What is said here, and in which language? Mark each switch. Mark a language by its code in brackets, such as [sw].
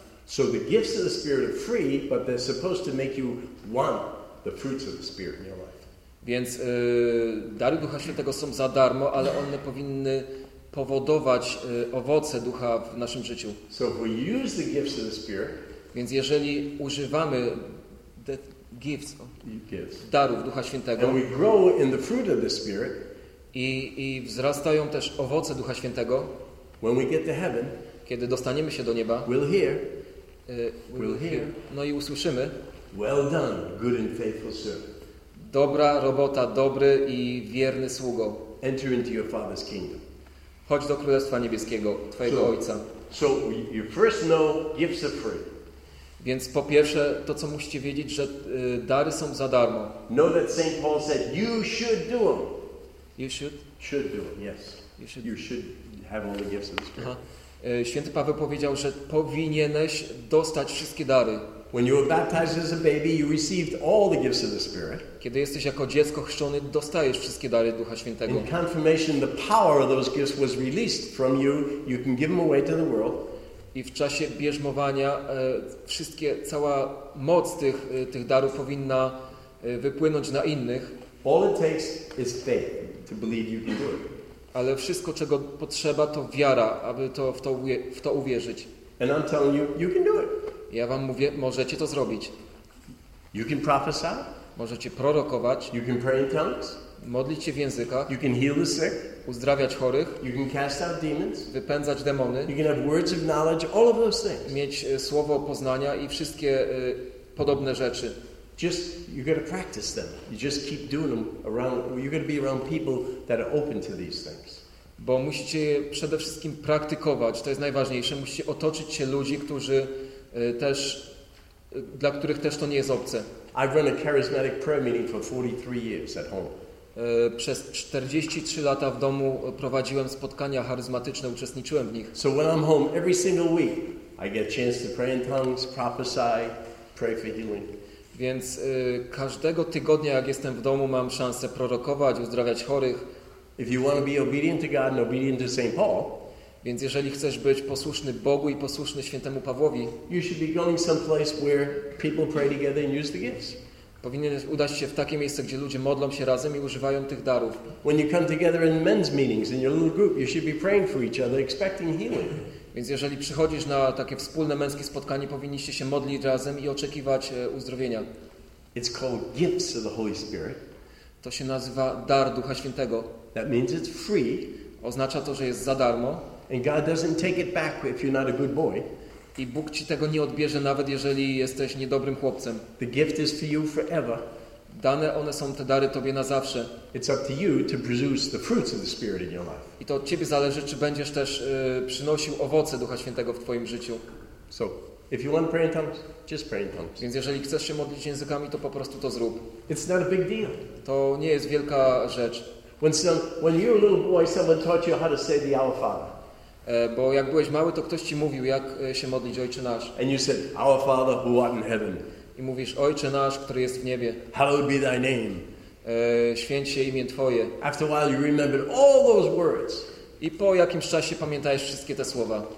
[en] So the gifts of the Spirit are free, but they're supposed to make you want the fruits of the Spirit in your life. [pl] Więc dary Ducha Świętego są za darmo, ale one powinny powodować owoce Ducha w naszym życiu. [en] So if we use the gifts of the Spirit, [pl] więc jeżeli używamy [en] the gifts, gifts, [pl] darów Ducha Świętego, [en] and we grow in the fruit of the Spirit, [pl] i wzrastają też owoce Ducha Świętego, [en] when we get to heaven, [pl] kiedy dostaniemy się do nieba, [en] we'll hear. We'll hear. [pl] No i usłyszymy. [en] Well done, good and faithful servant. [pl] Dobra robota, dobry i wierny sługo. [en] Enter into your Father's kingdom. [pl] Chodź do Królestwa Niebieskiego, twojego Ojca. [en] So you first know gifts are free. [pl] Więc po pierwsze, to co musicie wiedzieć, że dary są za darmo. [en] Know that St. Paul said you should do them. You should? Should do them, yes. You should have all the gifts of the Spirit. Aha. [pl] Święty Paweł powiedział, że powinieneś dostać wszystkie dary. [en] When you were baptized as a baby, you received all the gifts of the Spirit. [pl] Kiedy jesteś jako dziecko chrzczony, dostajesz wszystkie dary Ducha Świętego. [en] In confirmation, the power of those gifts was released from you. You can give them away to the world. [pl] I w czasie bierzmowania wszystkie, cała moc tych darów powinna wypłynąć na innych. [en] All it takes is faith to believe you can do it. [pl] Ale wszystko, czego potrzeba, to wiara, aby to w to uwierzyć. [en] And I'm telling you, you can do it. [pl] Ja wam mówię, możecie to zrobić. [en] You can prophesy. [pl] Możecie prorokować. [en] You can pray in tongues. [pl] Modlić się w językach. [en] You can heal the sick. [pl] Uzdrawiać chorych. [en] You can cast out demons. [pl] Wypędzać demony. [en] You can have words of knowledge, all of those things. [pl] Mieć słowo poznania i wszystkie podobne rzeczy. [en] Just you got to practice them. You just keep doing them around. You got to be around people that are open to these things. [pl] Bo musicie przede wszystkim praktykować. To jest najważniejsze. Musicie otoczyć się ludzi, którzy też, dla których też to nie jest obce. [en] I've run a charismatic prayer meeting for 43 years at home. [pl] Przez 43 lata w domu prowadziłem spotkania charyzmatyczne. Uczestniczyłem w nich. [en] So when I'm home every single week, I get a chance to pray in tongues, prophesy, pray for healing. [pl] Więc każdego tygodnia, jak jestem w domu, mam szansę prorokować, uzdrawiać chorych, [en] If you want to be obedient to God and obedient to St. Paul, [pl] więc jeżeli chcesz być posłuszny Bogu i posłuszny świętemu Pawłowi, [en] you should be going someplace where people pray together and use the gifts. [pl] Powinieneś udać się w takie miejsce, gdzie ludzie modlą się razem i używają tych darów. [en] When you come together in men's meetings in your little group, you should be praying for each other, expecting healing. [pl] Więc jeżeli przychodzisz na takie wspólne męskie spotkanie, powinniście się modlić razem i oczekiwać uzdrowienia. [en] It's called gifts of the Holy Spirit. [pl] To się nazywa dar Ducha Świętego. [en] That means it's free. [pl] Oznacza to, że jest za darmo. [en] And God doesn't take it back if you're not a good boy. [pl] I Bóg ci tego nie odbierze, nawet jeżeli jesteś niedobrym chłopcem. [en] The gift is for you forever. [pl] Dane one są, te dary, tobie na zawsze. [en] It's up to you to produce the fruits of the Spirit in your life. [pl] I to od ciebie zależy, czy będziesz też przynosił owoce Ducha Świętego w twoim życiu. [en] So, if you want to pray in tongues, just pray in tongues. [pl] Więc jeżeli chcesz się modlić językami, to po prostu to zrób. [en] It's not a big deal. [pl] To nie jest wielka rzecz. [en] When you were a little boy, someone taught you how to say the Our Father. [pl] Bo jak byłeś mały, to ktoś ci mówił, jak się modlić Ojcze Nasz. [en] And you said, Our Father who art in heaven. [pl] I mówisz, Ojcze Nasz, który jest w niebie. [en] Hallowed be thy name. [pl] Święć się imię Twoje. [en] After a while you remembered all those words. [pl] I po jakimś czasie pamiętajesz wszystkie te słowa.